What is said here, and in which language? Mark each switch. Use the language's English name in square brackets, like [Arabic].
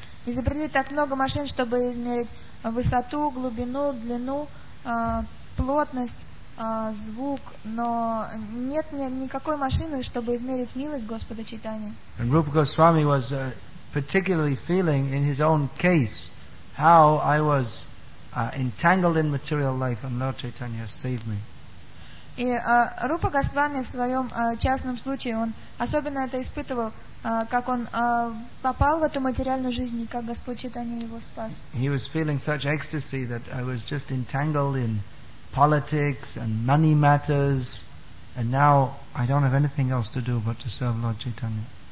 [Russian] Изобрели так много машин, чтобы измерить высоту, глубину, длину, плотность. Звук, но нет никакой машины, чтобы измерить милость Господа Чайтанья. [English] And Rupa Goswami was particularly feeling in his own case how I was entangled in material life and Lord Chaitanya saved me. [Russian] И Рупа Госвами в своем частном случае, он особенно это испытывал, как он попал в эту материальную жизнь и как Господь Чайтанья его спас. [English] He was feeling such ecstasy that I was just entangled in politics and money matters, and now I don't have anything else to do but to serve Lord Chaitanya.